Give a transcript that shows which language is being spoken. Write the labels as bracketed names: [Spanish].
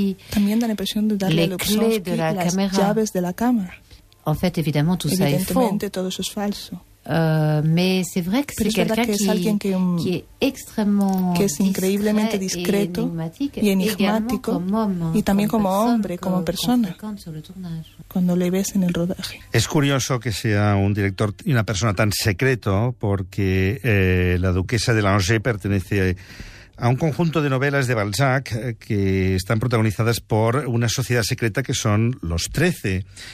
[Spanish] también da la impresión de darle a Lupchansky las llaves de la cámara. Evidentemente, todo eso es falso. [French] Mais c'est vrai que c'est quelqu'un qui est extrêmement [Spanish] que es increíblemente discreto y enigmático y también como hombre, como persona. Cuando le ves en el rodaje. Es curioso que sea un director y una persona tan secreto, porque la duquesa de Langeais pertenece a un conjunto de novelas de Balzac que están protagonizadas por una sociedad secreta que son los Trece.